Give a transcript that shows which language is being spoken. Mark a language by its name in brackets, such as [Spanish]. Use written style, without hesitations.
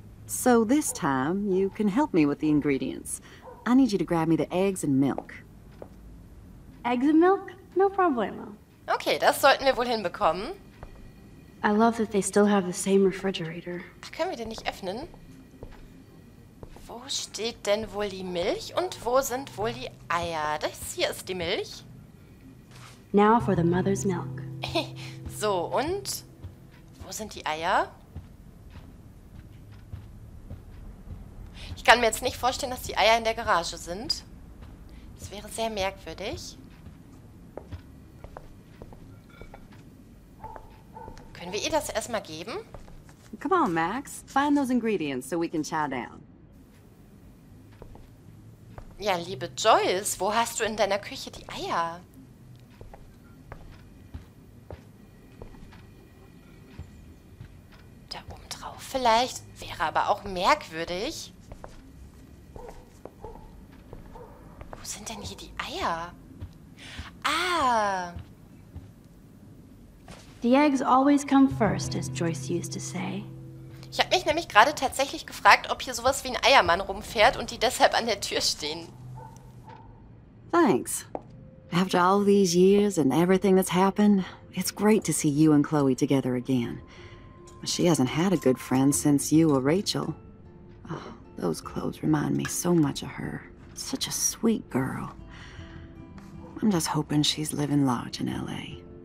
[English] So this time, you can help me with the ingredients. I need you to grab me the eggs and milk. Eggs and milk? No problemo. [German] Okay, das sollten wir wohl hinbekommen. [English] I love that they still have the same refrigerator. [German] Ach, können wir den nicht öffnen? Wo steht denn wohl die Milch und wo sind wohl die Eier? Das hier ist die Milch. [English] Now for the mother's milk. [German] So, und wo sind die Eier? Ich kann mir jetzt nicht vorstellen, dass die Eier in der Garage sind. Das wäre sehr merkwürdig. Können wir ihr das erstmal geben? [English] Come on, Max. Find those ingredients so we can chow down. [German] Ja, liebe Joyce, wo hast du in deiner Küche die Eier? Da oben drauf vielleicht. Wäre aber auch merkwürdig. Wo sind denn hier die Eier? Ah! [English] The eggs always come first, as Joyce used to say. [German] Ich habe mich nämlich gerade tatsächlich gefragt, ob hier sowas wie ein Eiermann rumfährt und die deshalb an der Tür stehen. [English] Thanks. After all these years and everything that's happened, it's great to see you and Chloe together again. She hasn't had a good friend since you or Rachel. Oh, those clothes remind me so much of her. Such a sweet girl. I'm just hoping she's living large in L.A.